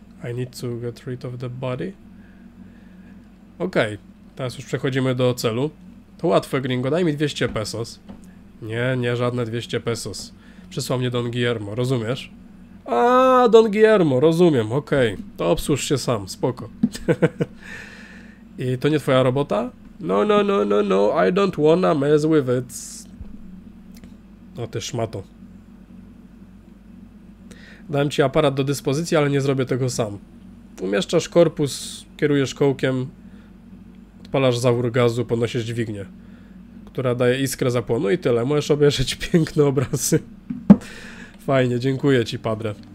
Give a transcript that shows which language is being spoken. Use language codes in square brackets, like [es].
[en] I need to get rid of the body? [pl] Okej, okay, teraz już przechodzimy do celu. To łatwe, gringo, daj mi 200 pesos. Nie, nie, żadne 200 pesos. Przysłał mnie Don Guillermo, rozumiesz? A, Don Guillermo, rozumiem, okej. Okay. To obsłuż się sam, spoko. I to nie twoja robota? [en] No, I don't wanna mess with it. [pl] O, ty szmato. Dałem ci aparat do dyspozycji, ale nie zrobię tego sam. Umieszczasz korpus, kierujesz kołkiem... Palasz zawór gazu, podnosisz dźwignię, która daje iskrę zapłonu i tyle. Możesz obejrzeć piękne obrazy. Fajnie, dziękuję ci, padre.